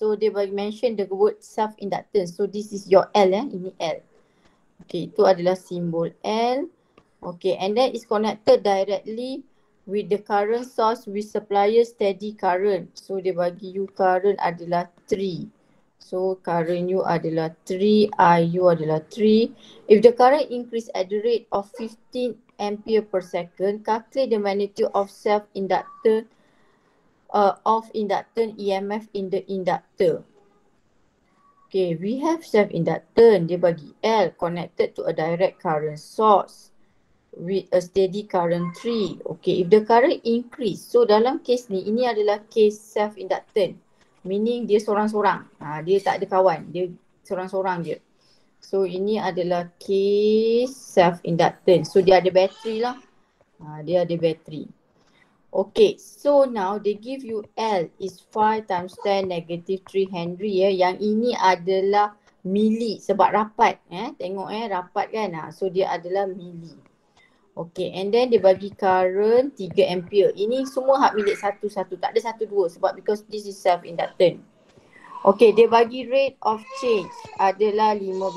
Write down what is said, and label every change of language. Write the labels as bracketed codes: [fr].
[en] So, [ms] dia bagi [en] mention the word self-inductance. So, this is your L. [ms] Ini L. Okay, itu adalah simbol L. [en] Okay, and then it's connected directly with the current source with supplier steady current. [ms] So, dia bagi you current adalah 3. So, current you adalah 3, IU adalah 3. [en] If the current increase at the rate of 15 ampere per second, calculate the magnitude of self-inductance. Of inductance EMF in the inductor. Okay, we have self-inductance. [ms] Dia bagi [en] L connected to a direct current source. with a steady current 3. Okay, if the current increase, [ms] so dalam case ni, ini adalah case [en] self-inductant. [ms] Meaning dia sorang-sorang. Dia tak ada kawan. Dia sorang-sorang je. So ini adalah case self-inductant. So dia ada bateri lah. Dia ada bateri. [en] Okay, so now they give you L is 5 times 10 negative 3 Henry. [ms] Ya. Yang ini adalah mili sebab rapat. Tengok rapat kan. So dia adalah mili. [en] Okay, and then [ms] dia bagi current 3 ampere. Ini semua hak milik satu-satu. Tak ada satu-dua sebab [en] because this is self-inductant. Okay, [ms] dia bagi [en] rate of change adalah 15.